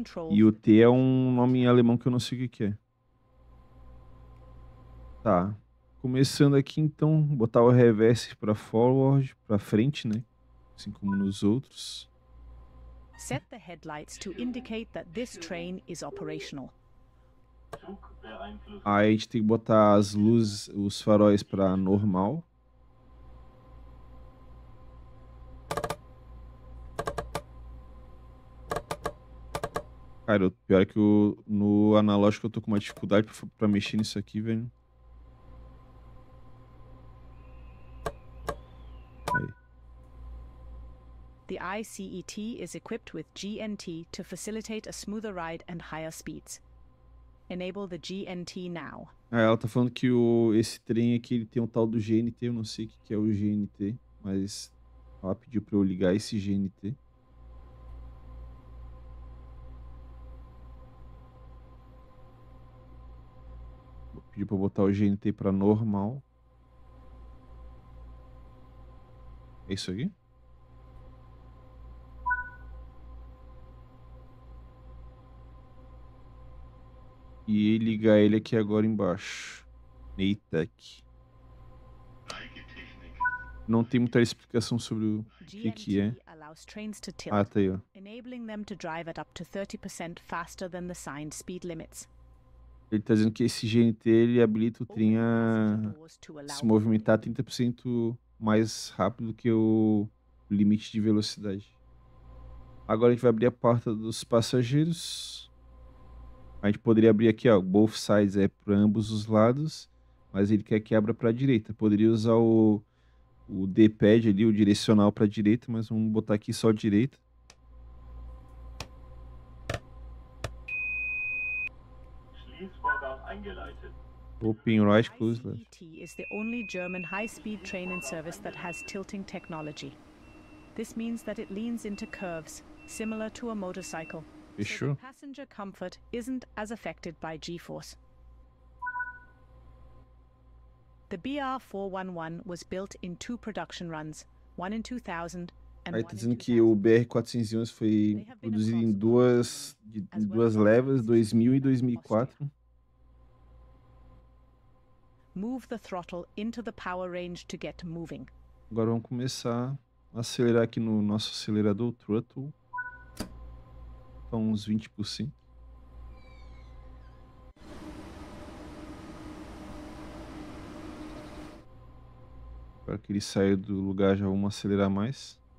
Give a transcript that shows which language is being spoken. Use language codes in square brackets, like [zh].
[pt] E o T é um nome em alemão que eu não sei o que é. Tá. Começando aqui então, botar o reverse para forward, para frente, né? Assim como nos outros. [en] Set the headlights to indicate that this train is operational. [pt] Aí a gente tem que botar as luzes, os faróis para normal. Cara, pior é que no analógico eu tô com uma dificuldade para mexer nisso aqui, velho. [en] The ICET is equipped with GNT to facilitate a smoother ride and higher speeds. Enable the GNT now. [pt] Ah, ela tá falando que esse trem aqui ele tem um tal do GNT, eu não sei o que é o GNT, mas ela pediu pra eu ligar esse GNT. Pediu pra eu botar o GNT pra normal. É isso aqui? E ligar ele aqui agora embaixo. Neitec. Não tem muita explicação sobre o que é. [en] Allows trains to tilt, [pt] ah, tá aí, ó. [en] Enabling them to drive at up to 30% faster than the signed speed limits. [pt] Ele tá dizendo que esse GNT ele habilita o trem a se movimentar 30% mais rápido que o limite de velocidade. Agora a gente vai abrir a porta dos passageiros. A gente poderia abrir aqui, ó, [en] both sides [pt] é para ambos os lados, mas ele quer que abra para a direita. Poderia usar o D-pad ali, o direcional para a direita, mas vamos botar aqui só a direita. [en] Open right, close left. ICET is the only German high-speed train in service that has tilting technology. This means that it leans into curves, similar to a motorcycle. [pt] Fechou. [en] So passenger comfort isn't as affected by G-force. The BR 411 was built in two production runs, one in 2000 and one in 2000. [pt] Que o BR 411 foi produzido em duas levas, 2000 e 2004. [en] Move the throttle into the power range to get moving. [pt] Agora vamos começar a acelerar aqui no nosso acelerador throttle. Uns 20%. Agora que ele saiu do lugar, já vamos acelerar mais.